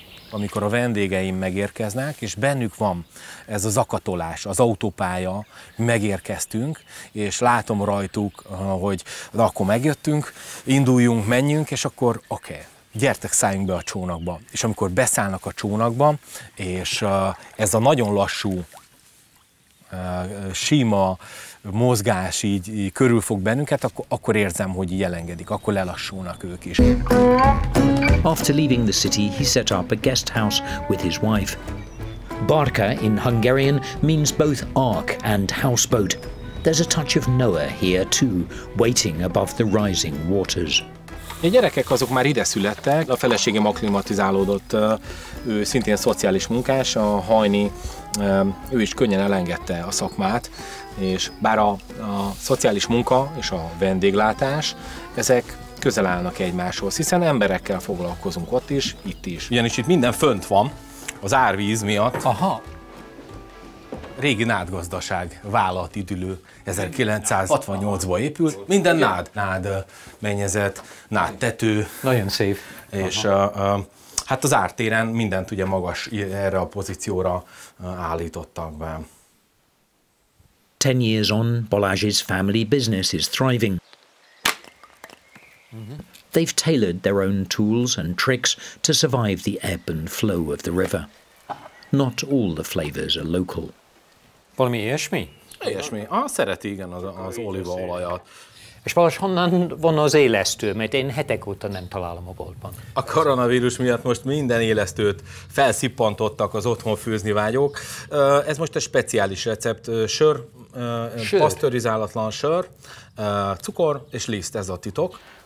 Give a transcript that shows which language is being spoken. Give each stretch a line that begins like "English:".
Hungarian: Amikor a vendégeim megérkeznek, és bennük van ez a zakatolás, az autópálya, megérkeztünk, és látom rajtuk, hogy na, akkor megjöttünk, induljunk, menjünk, és akkor oké, gyertek, szálljunk be a csónakba. És amikor beszállnak a csónakba, és ez a nagyon lassú, sima mozgás így körül fog bennünket, akkor érzem, hogy így elengedik, akkor lelassulnak ők is.
English: After leaving the city, he set up a guest house with his wife. Barka in Hungarian means both ark and houseboat. There's a touch of Noah here too, waiting above the rising waters.
Hungarian: A gyerekek azok már ide születtek, a feleségem akklimatizálódott, ő szintén szociális munkás, a Hajni, ő is könnyen elengedte a szakmát, és bár a szociális munka és a vendéglátás, ezek közel állnak egymáshoz, hiszen emberekkel foglalkozunk ott is, itt is. Ugyanis itt minden fönt van, az árvíz miatt. Aha! Régi nádgazdaság vállalt idülő, 1968-ban épült, minden nád. Nád mennyezet, nád tető. Nagyon szép. És hát az ártéren mindent ugye magas erre a pozícióra állítottak be.
English: 10 years on, Balázs's family business is thriving. They've tailored their own tools and tricks to survive the ebb and flow of the river. Not all the flavors are local.
Hungarian: Valami ilyesmi? Ilyesmi. Ah, szereti, igen, az olívaolajat. És Balázs, honnan van az élesztő? Mert én hetek óta nem találom a boltban. A koronavírus miatt most minden élesztőt felszippantottak az otthon főzni vágyók. Ez most egy speciális recept. Sör, pasztörizálatlan sör, cukor és liszt, ez a titok.